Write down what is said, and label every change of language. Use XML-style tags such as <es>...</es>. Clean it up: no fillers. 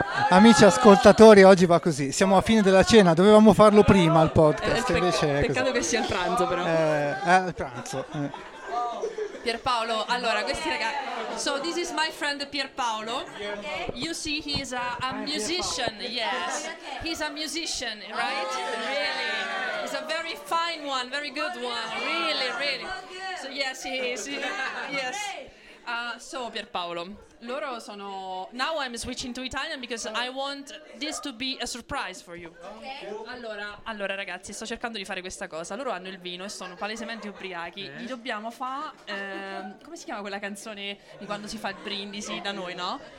<it>Amici ascoltatori, oggi va così, siamo a fine della cena, dovevamo farlo prima il podcast, invece è peccato così. Che sia il pranzo però. Pierpaolo,</it> <en>allora questi ragazzi, so this is my friend Pierpaolo, you see he's a musician, yes, he's a musician, right, really, he's a very fine one, very good one, really, really, so yes he is, yes. So Pierpaolo,</en> <it>loro sono.</it> <en>Now I'm switching to Italian because I want this to be a surprise for you. Okay.</en> <it>Allora, ragazzi, sto cercando di fare questa cosa. Loro hanno il vino e sono palesemente ubriachi. Gli dobbiamo fare. Come si chiama quella canzone di quando si fa il brindisi da noi, no?</it>